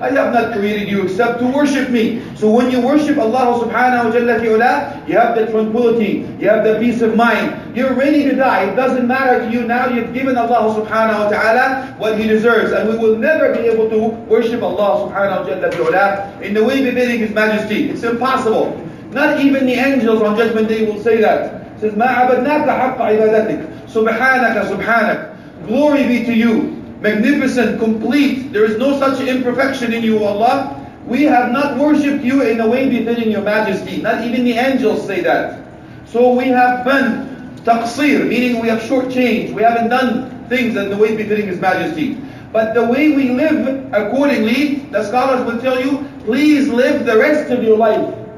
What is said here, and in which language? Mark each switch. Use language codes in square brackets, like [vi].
[en] I have not created you except to worship me. So when you worship Allah subhanahu wa ta'ala, you have the tranquility, you have the peace of mind. You're ready to die. It doesn't matter to you now. You've given Allah subhanahu wa ta'ala what He deserves. And we will never be able to worship Allah subhanahu wa ta'ala in the way befitting His majesty. It's impossible. Not even the angels on judgment day will say that. It says, [ar] مَا عَبَدْنَاكَ حَقَّ عِبَادَتِكَ. سُبْحَانَكَ سُبْحَانَكَ. [en] Glory be to you. Magnificent, complete. There is no such imperfection in you, Allah. We have not worshipped you in a way befitting your majesty. Not even the angels say that. So we have been taqsir, meaning we have shortchanged. We haven't done things in the way befitting his majesty. But the way we live accordingly, the scholars will tell you, please live the rest of your life.